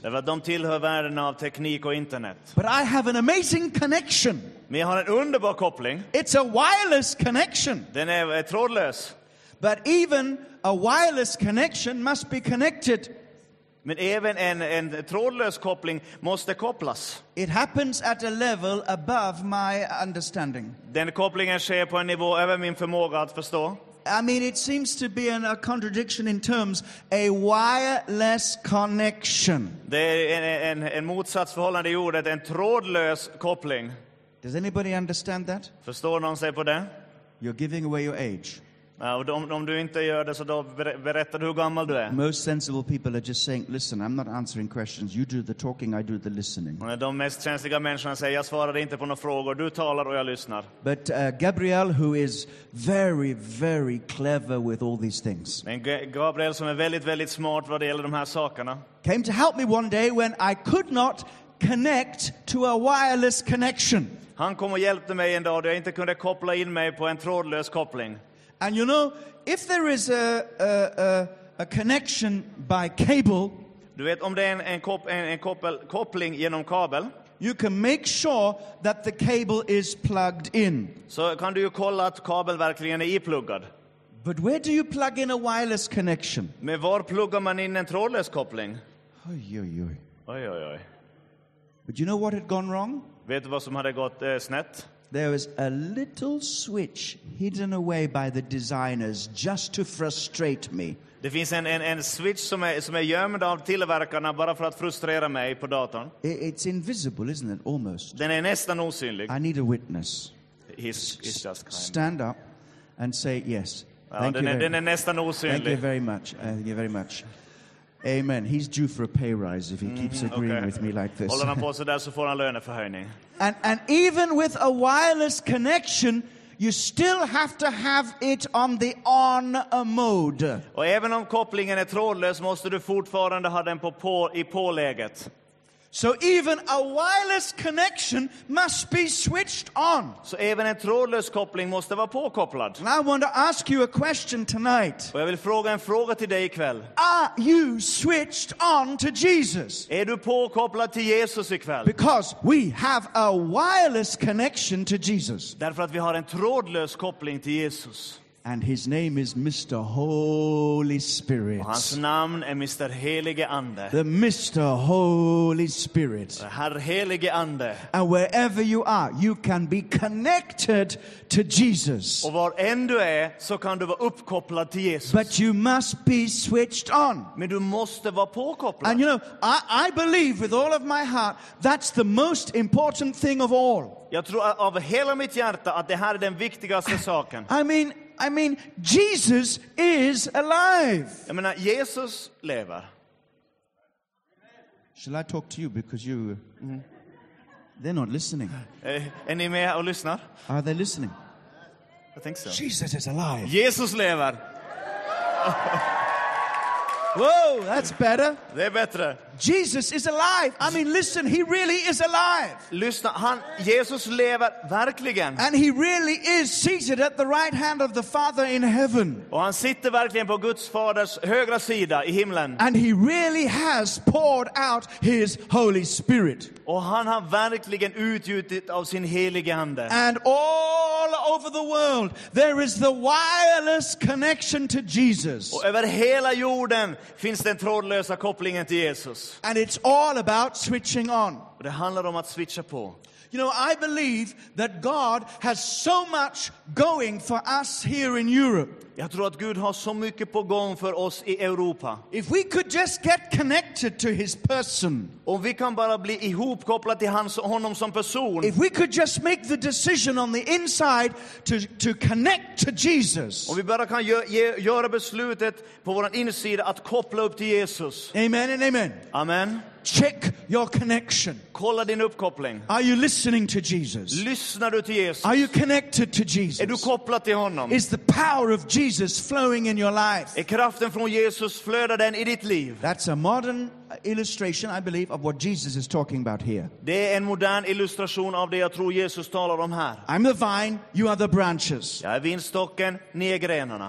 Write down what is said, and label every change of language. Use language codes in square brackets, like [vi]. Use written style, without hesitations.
[sv] Därför att de tillhör världen av teknik och internet. [en] But I have an amazing connection. [sv] Men jag har en underbar koppling. [en] It's a wireless connection. [sv] Den är trådlös. [en] But even a wireless connection must be connected. [sv] Men även en trådlös koppling måste kopplas. [en] It happens at a level above my understanding. [sv] Den kopplingen sker på en nivå över min förmåga att förstå. [en] I mean, it seems to be a contradiction in terms, a wireless connection. [sv] Det är en motsatsförhållande i ordet, en trådlös koppling. [en] Does anybody understand that? [sv] Förstår någon sig på det? [en] You're giving away your age. [sv] Om du inte gör det, så då berättar du hur gammal du är. [en] Most sensible people are just saying, listen, I'm not answering questions. You do the talking, I do the listening. [sv] De mest känsliga människorna säger, jag svarar inte på några frågor. Du talar och jag lyssnar. [en] But Gabriel, who is very, very clever with all these things. [sv] Men Gabriel som är väldigt, väldigt smart vad det gäller de här sakerna. [en] Came to help me one day when I could not connect to a wireless connection. [sv] Han kom och hjälpte mig en dag då jag inte kunde koppla in mig på en trådlös koppling. [en] And you know, if there is a connection by cable, [sv] du vet om det är en koppling genom kabel, [en] you can make sure that the cable is plugged in. [sv] Så kan du ju kolla att kabeln verkligen är ipluggad. [en] But where do you plug in a wireless connection? [sv] Med var pluggar man in en trådlös koppling? Oj, oj, oj. Oj, oj, oj. [en] But you know what had gone wrong? [sv] Vet du vad som hade gått snett? [en] There was a little switch hidden away by the designers just to frustrate me. [sv] Det finns en switch som är gömd av tillverkarna bara för att frustrera mig på datorn. [en] It's invisible, isn't it? Almost. [sv] Den är nästan osynlig. [en] I need a witness. He's just kind. Stand up and say yes. [sv] Den är nästan osynlig. [en] Thank you very much. Thank you very much. Amen. He's due for a pay rise if he keeps agreeing with me like this. [sv] Håller han på så där så får han löneförhöjning. [en] And even with a wireless connection, you still have to have it on the on mode. [sv] Och även om kopplingen är trådlös måste du fortfarande ha den på läget. [en] So even a wireless connection must be switched on. [sv] Så även en trådlös koppling måste vara påkopplad. [en] And I want to ask you a question tonight. [sv] Och jag vill fråga en fråga till dig ikväll. [en] Are you switched on to Jesus? [sv] Är du påkopplad till Jesus ikväll? [en] Because we have a wireless connection to Jesus. [sv] Därför att vi har en trådlös koppling till Jesus. [en] And his name is Mr. Holy Spirit. [sv] Hans namn är Mr. Helige Ande. [en] The Mr. Holy Spirit. [sv] Herr Helige Ande. [en] And wherever you are, you can be connected to Jesus. [sv] Och var än du är, så kan du vara uppkopplad till Jesus. [en] But you must be switched on. [sv] Men du måste vara påkopplad. [en] And you know, I believe with all of my heart, that's the most important thing of all. [sv] Jag tror av hela mitt hjärta att det här är den viktigaste saken. [en] I mean, Jesus is alive. [sv] Jag menar, Jesus lever. [en] Shall I talk to you because you... They're not listening. [sv] Är ni med och lyssnar? [en] Are they listening? I think so. Jesus is alive. [sv] Jesus lever. [en] Whoa, that's better. [sv] Det är bättre. [en] Jesus is alive. I mean, listen, he really is alive. [sv] Lyssna, han, Jesus lever verkligen. [en] And he really is seated at the right hand of the Father in heaven. [sv] Och han sitter verkligen på Guds faders högra sida i himlen. [en] And he really has poured out his Holy Spirit. [sv] Och han har verkligen utgjutit av sin helige ande. [en] And all over the world, there is the wireless connection to Jesus. [sv] Och över hela jorden finns den trådlösa kopplingen till Jesus. [en] And it's all about switching on. [sv] Det handlar om att switcha på. [en] You know, I believe that God has so much going for us here in Europe. [sv] Jag tror att Gud har så mycket på gång för oss i Europa. [en] If we could just get connected to his person. [sv] Om vi kan bara bli ihopkopplade till honom som person. [en] If we could just make the decision on the inside to connect to Jesus. [sv] Om vi bara kan göra beslutet på våran insida att koppla upp till Jesus. [en] Amen and amen. [sv] Amen. [en] Check your connection. [sv] Kolla din uppkoppling. [en] Are you listening to Jesus? [sv] Lyssnar du till Jesus? [en] Are you connected to Jesus? [sv] Är du kopplad till honom? [en] Is the power of Jesus flowing in your life? [sv] Är kraften från Jesus flödar den i ditt liv? [en] That's a modern illustration, I believe, of what Jesus is talking about here. [sv] Det är en modern illustration av det jag tror Jesus talar om här. [en] I'm the vine, you are the branches. [sv] Jag är vinstocken, ni är grenarna.